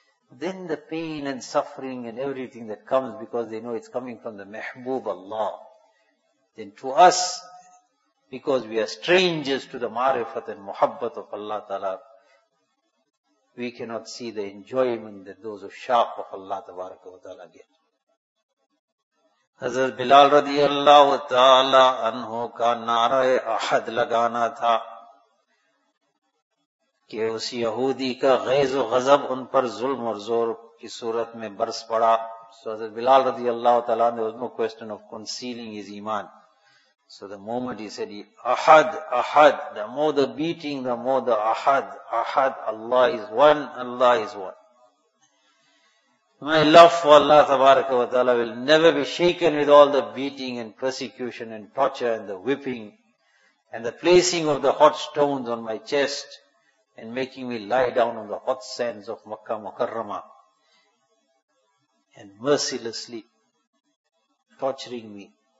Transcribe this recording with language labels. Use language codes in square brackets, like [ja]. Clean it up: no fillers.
[en] Then the pain and suffering and everything that comes because they know it's coming from the Mehboob Allah. Then to us, because we are strangers to the marifat and muhabbat of Allah Ta'ala, we cannot see the enjoyment that those عشاق of Allah Tabaraka wa Ta'ala get. [ur] حضرت بلال رضی اللہ تعالی عنہ کا نعرہ احد لگانا تھا کہ اس یہودی کا غیظ و غضب ان پر ظلم اور زور کی صورت میں برس پڑا. [en] So Hazrat Bilal رضی اللہ تعالی عنہ, there was no question of concealing his ایمان. So the moment he said احد احد, the more the beating, the more the احد احد, Allah is one, Allah is one. My love for Allah tabaraka wa ta'ala will never be shaken with all the beating and persecution and torture and the whipping and the placing of the hot stones on my chest and making me lie down on the hot sands of Makkah Mukarrama and mercilessly torturing me.